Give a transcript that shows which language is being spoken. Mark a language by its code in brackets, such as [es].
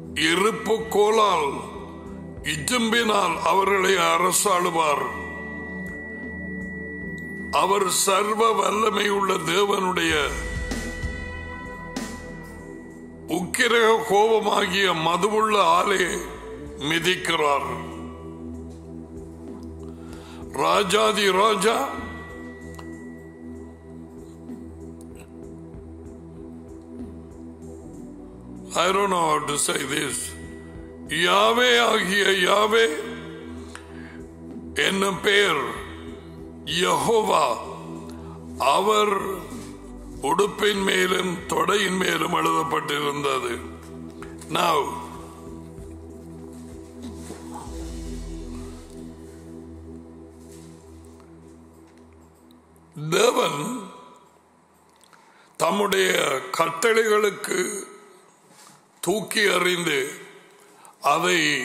[ta] இருப்பு கோலால் இஜும்பினால் அவர்களை அரசாளுவார். அவர் சர்வ வல்லமையுள்ள தேவனுடைய உக்கிரக கோபமாகிய மதுவுள்ள ஆலே மிதிக்கிறார். ராஜாதி ராஜா [en] I don't know how to say this. [ta] யாவே ஆகிய யாவே என்னும் பெயர் யெகோவா அவர் உடுப்பின் மேலும் தொடையின் மேலும் எழுதப்பட்டிருந்தது. Now, தேவன் தம்முடைய கட்டளைகளுக்கு தூக்கி எறிந்து அதை